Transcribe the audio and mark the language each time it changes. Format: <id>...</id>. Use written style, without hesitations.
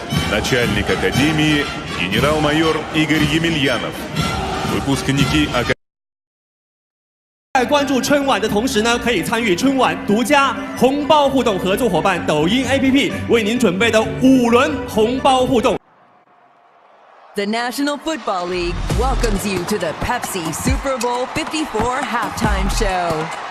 <ru>Начальник академии генерал-майор Игорь Емельянов. Выпускники академии.</ru> <zh>在关注春晚的同时呢，可以参与春晚独家红包互动合作伙伴抖音APP为您准备的五轮红包互动。</zh> <en>The National Football League welcomes you to the Pepsi Super Bowl 54 halftime show.</en>